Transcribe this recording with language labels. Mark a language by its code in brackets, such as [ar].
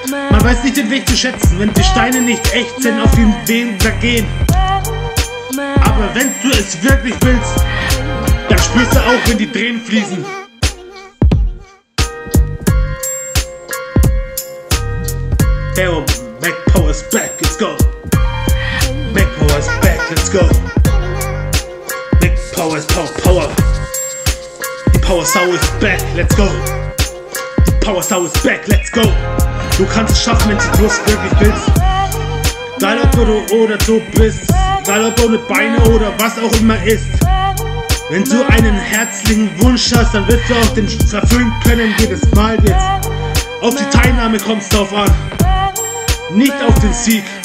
[de] Man weiß nicht den Weg zu schätzen, wenn die Steine nicht echt sind, auf dem Weg da gehen. Aber wenn du es wirklich willst, dann spürst du auch, wenn die Tränen fließen. [en] Hey, Mac Power is back, let's go. Mac Power is back, let's go. Mac Power is power, power. Die Power Sau is back, let's go. Die Power Sau is back, let's go. [de] Du kannst es schaffen, wenn du bloß wirklich willst. Egal ob du oder du bist. Egal ob ohne Beine oder was auch immer ist. Wenn du einen herzlichen Wunsch hast, dann wirst du auch den erfüllen können, jedes Mal jetzt. Auf die Teilnahme kommst du drauf an. Nicht auf den Sieg.